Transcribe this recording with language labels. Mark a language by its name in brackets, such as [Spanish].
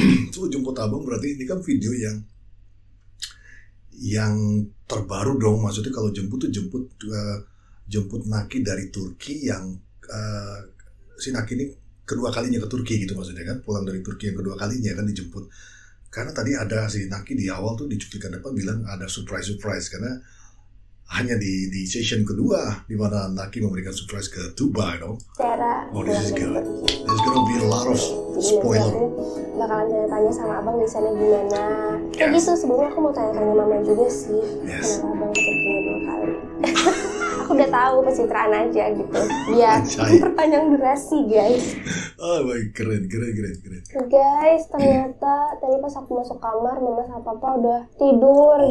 [Indonesian] So, jemput abang berarti ini kan video yang terbaru dong, maksudnya kalau jemput tuh jemput Naki dari Turki yang si Naki ini kedua kalinya ke Turki gitu, maksudnya kan pulang dari Turki yang kedua kalinya kan dijemput, karena tadi ada si Naki di awal tuh di cuplikan depan bilang ada surprise, karena hanya di session kedua di mana Naki memberikan surprise ke Tuba dong. Cara, [English] this is good. There's gonna be a lot of spoiler. [Indonesian] Bakalan tanya sama abang di sana gimana. Yes. Gitu, sebelumnya aku mau tanya mama juga sih. [English] Yes. [Indonesian] Kenapa abang ketemu dua kali? Aku udah tahu pencitraan aja gitu. Biar perpanjang durasi guys. [English] Oh my, keren. [Indonesian] Guys, ternyata tadi pas aku masuk kamar mama sama papa udah tidur. Oh.